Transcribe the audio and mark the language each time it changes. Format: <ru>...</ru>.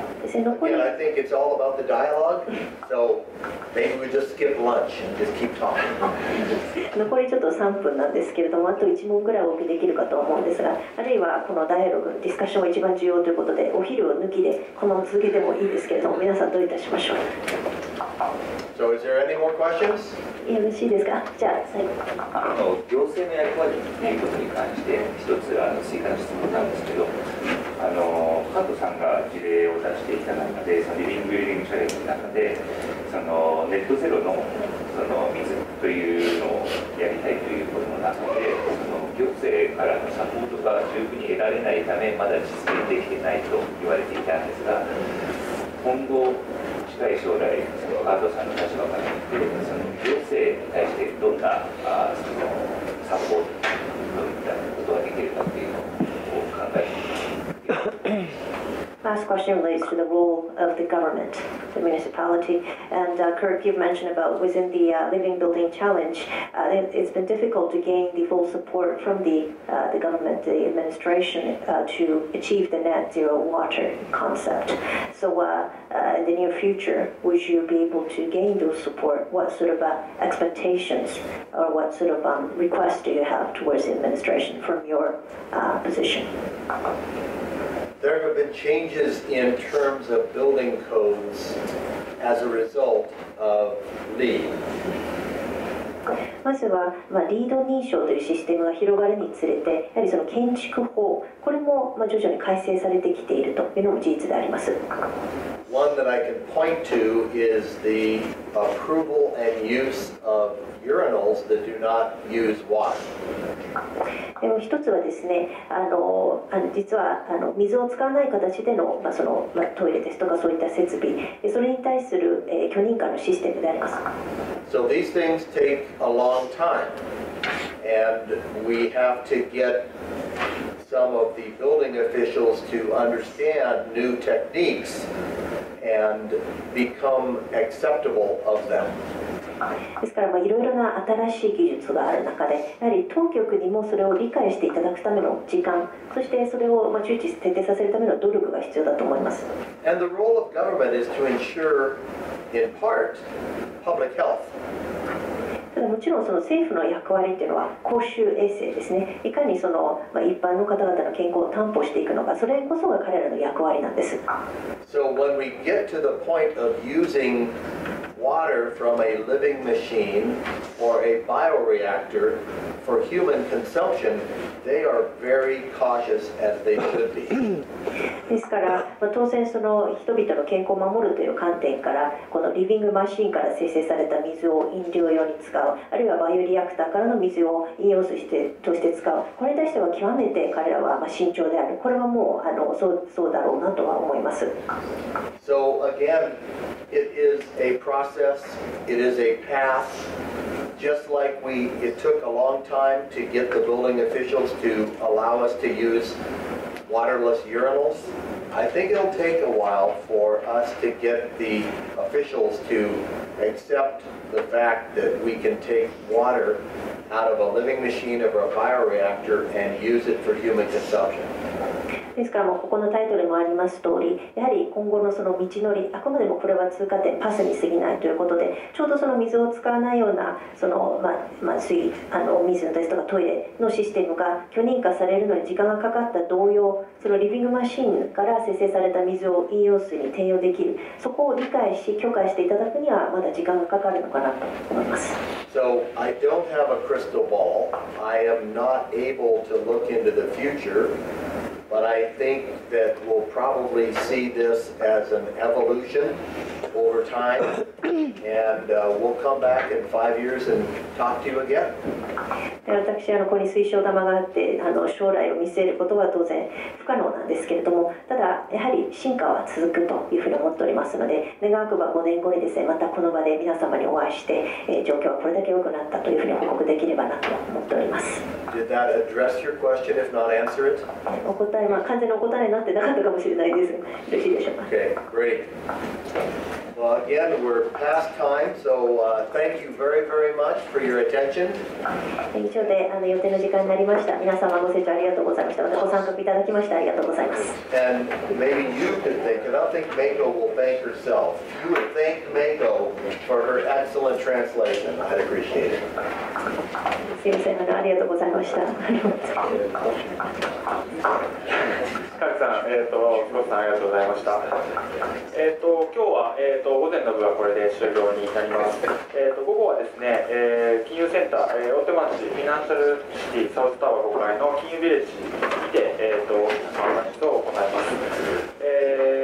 <en>Again, I think it's all about the dialogue. So maybe we just skip lunch and just keep talking.</en> <ja>残りちょっと3分なんですけれども、あと1問ぐらいお受けできるかと思うんですが、あるいはこのダイアログ、ディスカッションが一番重要ということで、お昼を抜きでこのまま続けてもいいですけれども、皆さんどういたしましょう。</ja> <en>So is there any more questions?</en> <ja>よろしいですか。じゃあ最後。行政の役割ということに関して一つ追加の質問なんですけど、加藤さんが事例を出していた中で、そのリビングビルディングチャレンジの中で、そのネットゼロ の, その水というのをやりたいということの中で、その行政からのサポートが十分に得られないため、まだ実現できていないと言われていたんですが、今後、近い将来、アートさんの立場から言って、その行政に対してどんなそのサポート、どういったことができるかというのを考えています。</ja> <en>Last question relates to the role of the government, the municipality. And Kirk, you've mentioned about within the Living Building Challenge, it's been difficult to gain the full support from the government, the administration, to achieve the net zero water concept. So in the near future, would you be able to gain those support? What sort of expectations or what sort of requests do you have towards the administration from your position? There have been changes in terms of building codes as a result of LEED.</en> <ja>まずは、LEED 認証というシステムが広がるにつれて、やはりその建築法、これも徐々に改正されてきているというのも事実であります。</ja> <en>One that I can point to is the approval and use of urinals that do not use water.</en> <ja>でも一つはですね、実は水を使わない形での、トイレですとかそういった設備、それに対する、許認可のシステムであります。</ja> <en>So these things take a long time, and we have to get some of the building officials to understand new techniques. And become acceptable of them.</en> <ja>ですから、いろいろな新しい技術がある中で、やはり当局にもそれを理解していただくための時間、そしてそれを周知徹底させるための努力が必要だと思います。</ja> <en>And the role of government is to ensure, in part, public health.</en> <ja>もちろんその政府の役割というのは公衆衛生ですね。いかにその一般の方々の健康を担保していくのか、それこそが彼らの役割なんです。</ja> <en>So when we get to the point of using water from a living machine or a bioreactor for human consumption, they are very cautious as they should be.</en> <ja>ですから、当然その人々の健康を守るという観点から、このリビングマシーンから生成された水を飲料用に使う。あるいはバイオリアクターからの水を飲用水として使う、これに対しては極めて彼らは慎重である、これはもうそうだろうなとは思います。</ja> <en>So again, it is a process, it is a path, just like it took a long time to get the building officials to allow us to use waterless urinals. I think it'll take a while for us to get the officials to accept the fact that we can take water out of a living machine or a bioreactor and use it for human consumption.</en> <ja>ですからもここのタイトルもあります通り、やはり今後のその道のり、あくまでもこれは通過点、パスに過ぎないということで、ちょうどその水を使わないようなその水、水ですとかトイレのシステムが許認可されるのに時間がかかった同様、そのリビングマシンから生成された水を飲用水に転用できる、そこを理解し許可していただくにはまだ時間がかかるのかなと思います。</ja> <en>So I don't have a crystal ball. I am not able to look into the future. But I think that we'll probably see this as an evolution over time. And we'll come back in 5 years and talk to you again.</en> <ja>私はここに水晶玉があって、将来を見据えることは当然不可能なんですけれども、ただやはり進化は続くというふうに思っておりますので、願わくば5年後にですね、またこの場で皆様にお会いして、状況はこれだけ良くなったというふうに報告できればなと思っております。</ja> <en>Did that address your question, if not answer it?</en> <ja>答え、完全にお答えになってなかったかもしれないです。よろしいでしょうか。</ja> <en>Okay, great. Well, again, we're past time, so thank you very, very much for your attention.</en> <ja>以上で予定の時間になりました。皆様ご清聴ありがとうございました。またご参加いただきましてありがとうございます。</ja> <en>And maybe you can think, and I think Mako will thank herself. You would thank Mako for her excellent translation. I'd appreciate it.</en> <ja>すいません、ありがとうございました。塚地さん、ごさんありがとうございました。今日は、午前の部はこれで終了になります。午後はですね、金融センター、大手町フィナンシャルシティサウスタワー5階の金融ビレッジにて、お話を行います。</ja>